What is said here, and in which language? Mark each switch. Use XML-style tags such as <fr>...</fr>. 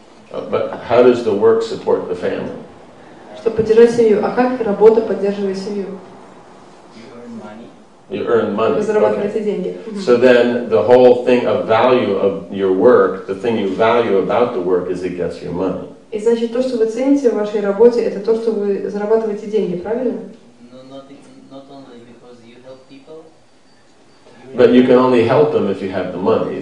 <en>But how does the work support the family?</en> <ru>Чтобы поддержать семью. А как работа поддерживает семью?</ru> <en>You earn money. You earn money.</en> <ru>Вы зарабатываете деньги.</ru> <en>So then the whole thing of value of your work, the thing you value about the work is it gets you money.</en> <ru>И значит то, что вы цените в вашей работе, это то, что вы зарабатываете деньги, правильно?</ru> <en>No, not only because you help people. But you can only help them if you have the money.</en>